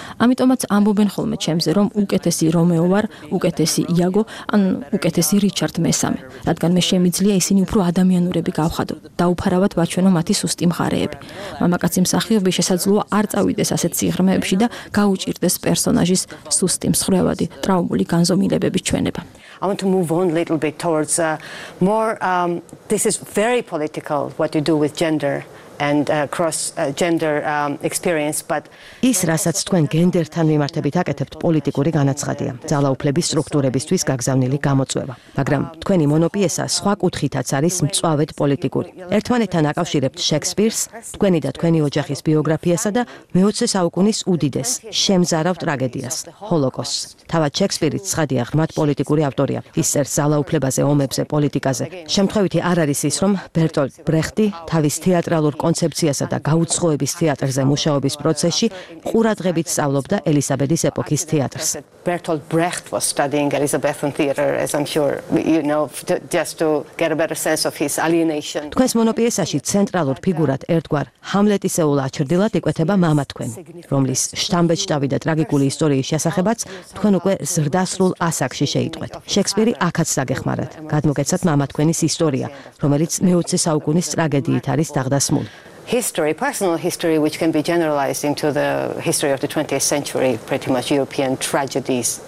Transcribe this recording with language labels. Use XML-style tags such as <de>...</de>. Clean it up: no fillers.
<ka>ამიტომაც ამბობენ ხოლმე ჩემზე, რომ უკეთესი რომეო ვარ, უკეთესი იაგო, ან უკეთესი რიჩარდ მესამე, რადგან მე შემიძლია ისინი უფრო ადამიანურები გავხადო და უფარავად ვაჩვენო მათი სუსტი მხარეები. მამაკაცი მსახიობი შესაძლოა არ წავიდეს ასეთ სიღრმეებში და გაუჭირდეს პერსონაჟის სუსტი მსხვრევადი, ტრავმული განზომილებების ჩვენება.</ka> <en>I want to move on a little bit towards more this is very political what you do with gender and cross gender experience but</en> <ka>ის რასაც თქვენ გენდერთან მიმართებით აკეთებთ პოლიტიკური განაცხადია ძალაუფლების სტრუქტურებისთვის გაგზავნილი გამოწვევა მაგრამ თქვენი მონოპიესა სხვა კუთხითაც არის მწვავედ პოლიტიკური ერთმანეთთან აკავშირებთ შექსპირს თქვენი და თქვენი ოჯახის ბიოგრაფიასა და მეოცე საუკუნის უდიდეს შემზარავ ტრაგედიას ჰოლოკოსტს თავად შექსპირი ცხადია ღრმად პოლიტიკური ავტორია ის წერს ძალაუფლებაზე ომებზე პოლიტიკაზე შემთხვევითი არ არის ის რომ ბერტოლდ ბრეხტი თავის თეატრალურ კონცეფციასა და გაუცხოების თეატრზე მუშაობის პროცესში ყურადღებით სწავლობდა ელისაბედის ეპოქის თეატრს.</ka> <en>Bertolt Brecht was studying Elizabethan theater as I'm sure you know just to get a better sense of his alienation.</en> <ka>თქვენს მონოპიესაში ცენტრალურ ფიგურად ერთგვარ ჰამლეტისეულ აჩრდილად ეკვეთება მამა თქვენ, რომლის შტამბეჭდავი და ტრაგიკული ისტორიის შესახებაც თქვენ უკვე ზრდასრულ ასაკში შეიტყვეთ. შექსპირი აქაც დაგეხმარათ. გადმოგეცათ მამა თქვენის ისტორია, რომელიც მეოცე საუკუნის ტრაგედიით არის დაღდასმული.</ka> <en>History, personal history, which can be generalized into the history of the 20th century, pretty much European tragedies.</en>